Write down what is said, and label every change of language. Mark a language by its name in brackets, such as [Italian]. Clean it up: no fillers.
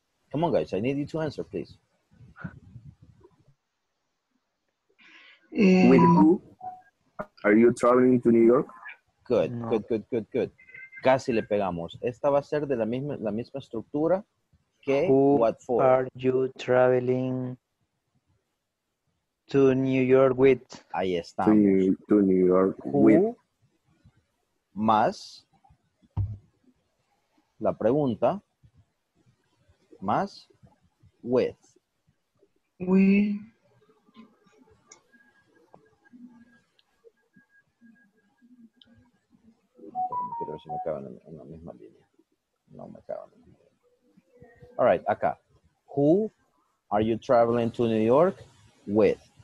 [English] Come on, guys. I need you to answer, please. With who are you traveling to New York? Good, no. good. [Spanish] Casi le pegamos. Esta va a ser de la misma estructura que [English] who what for. Who are you traveling to New York with? [Spanish] Ahí está. [English] To New York who with. [Spanish] Más la pregunta. Más with. [English] We. [Spanish] Quiero ver si me caben en la misma línea. No me caben. [English] All right, [Spanish] acá. [English] Who are you traveling to New York with?